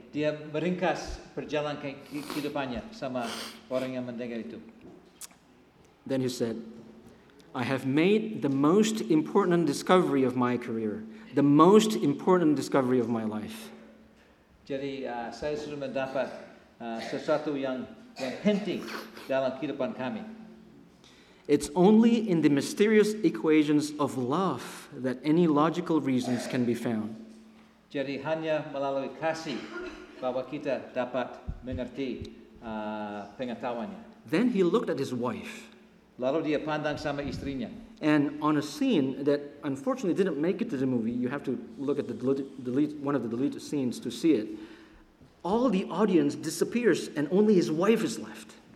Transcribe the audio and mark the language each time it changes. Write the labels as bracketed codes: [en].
[id] Dia meringkas perjalanan kehidupannya sama orang yang mendengar itu. [en] Then he said, "I have made the most important discovery of my career, the most important discovery of my life." [id] Jadi saya sudah mendapat sesuatu yang penting dalam kehidupan kami. [en] It's only in the mysterious equations of love that any logical reasons can be found. [id] Jadi hanya melalui kasih bahwa kita dapat mengerti pengetahuannya. [en] Then he looked at his wife. [id] Lalu dia pandang sama istrinya. [en] And on a scene that unfortunately didn't make it to the movie, you have to look at the one of the deleted scenes to see it. All the audience disappears and only his wife is left.